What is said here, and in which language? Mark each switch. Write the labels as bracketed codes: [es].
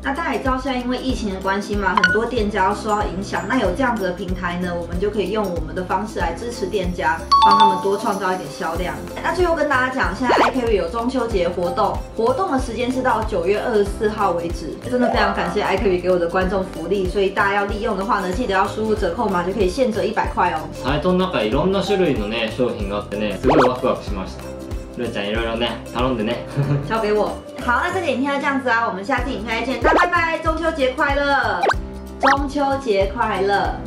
[zh] 那大家也知道现在因为疫情的关系嘛，很多店家受到影响，那有这样子的平台呢，我们就可以用我们的方式来支持店家，帮他们多创造一点销量。那最后跟大家讲，现在 iCarry 有中秋节活动，活动的时间是到9月24号为止，真的非常感谢 iCarry 给我的观众福利，所以大家要利用的话呢记得要输入折扣码就可以现折100块哦。 [ja] サイトの中いろんな種類のね商品があってね、すごいワクワクしました。ルーちゃんいろいろね頼んでね。 [zh] 交给我。好，那这个影片就这样子啊，我们下次影片再见，大家拜拜，中秋节快乐，中秋节快乐，